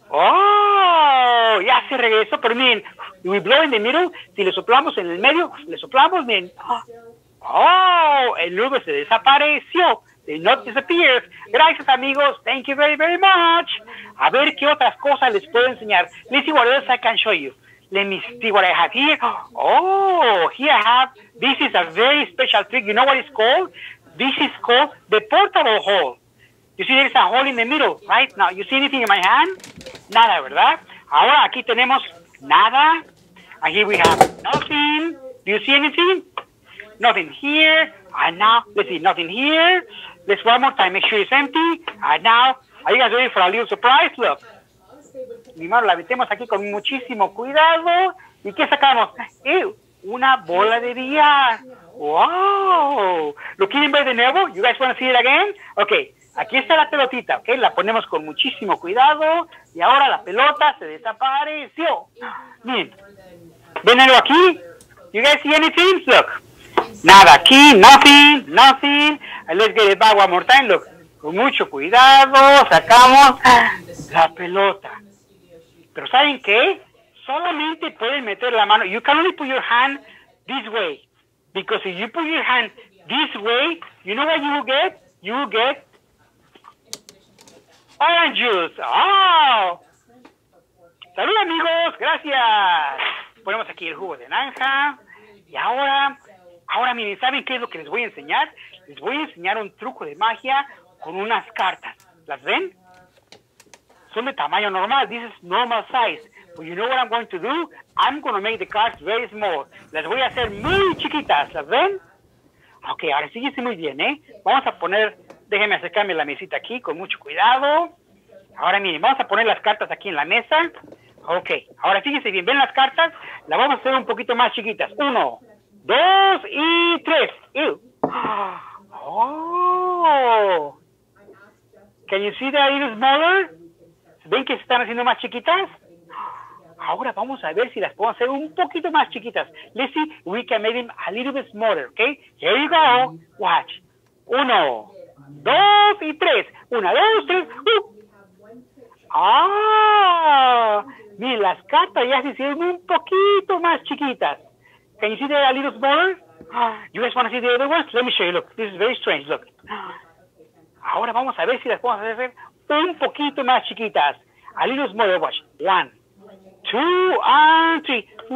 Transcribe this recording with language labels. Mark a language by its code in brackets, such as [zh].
[es] ¡Oh! Ya se regresó, pero miren, [en] we blow in the middle, [es] si le soplamos en el medio, le soplamos, miren. ¡Oh! El nudo se desapareció. [en] The knot disappears. [es] Gracias, amigos. [en] Thank you very, very much. [es] A ver qué otras cosas les puedo enseñar. [en] Let's see what else I can show you. Let me see what I have here. Oh, here I have... This is a very special trick. You know what it's called? This is called the portable hole. You see, there's a hole in the middle, right? Now, you see anything in my hand? [es] Nada, ¿verdad? Ahora, aquí tenemos nada. [en] And here we have nothing. Do you see anything? Nothing here. And now, let's see, nothing here. Let's one more time, make sure it's empty. And now, are you guys ready for a little surprise? Look. [es] Mi mano, la metemos aquí con muchísimo cuidado. ¿Y qué sacamos? ¡Ew! Una bola de billar. ¡Wow! ¿Lo quieren ver de nuevo? [en] You guys want to see it again? Okay, [es] aquí está la pelotita, ¿ok? La ponemos con muchísimo cuidado y ahora la pelota se desapareció. Bien. ¿Ven algo aquí? [en] You guys see anything? Look. [es] Nada aquí, [en] nothing, nothing. Let's get it back one more time. Look. [es] Con mucho cuidado sacamos la pelota. Pero ¿saben qué? Solamente pueden meter la mano. [en] You can only put your hand this way. Because if you put your hand this way, you know what you will get? You will get orange juice. ¡Oh! [es] ¡Salud, amigos! ¡Gracias! Ponemos aquí el jugo de naranja. Y ahora miren, ¿saben qué es lo que les voy a enseñar? Les voy a enseñar un truco de magia con unas cartas. ¿Las ven? Son de tamaño normal. [en] This is normal size. But you know what I'm going to do? I'm going to make the cards very small. [es] Las voy a hacer muy chiquitas. ¿Las ven? Ok, ahora síguese muy bien, ¿eh? Vamos a poner... Déjeme acercarme la mesita aquí con mucho cuidado. Ahora miren, vamos a poner las cartas aquí en la mesa. Ok, ahora fíjense bien. ¿Ven las cartas? Las vamos a hacer un poquito más chiquitas. Uno, dos y tres. ¡Ew! ¡Oh! [en] Can you see that it is smaller? [es] ¿Ven que se están haciendo más chiquitas? Ahora vamos a ver si las podemos hacer un poquito más chiquitas. [en] Let's see if we can make them a little bit smaller, ¿ok? Here you go. Watch. [es] Uno, dos y tres. Una, dos, tres. ¡Ah! Miren, las cartas ya se hicieron un poquito más chiquitas. [en] Can you see that a little smaller? You guys want to see the other ones? Let me show you. Look, this is very strange. Look. [es] Ahora vamos a ver si las podemos hacer un poquito más chiquitas. [en] A little smaller. Watch. One, two, and three.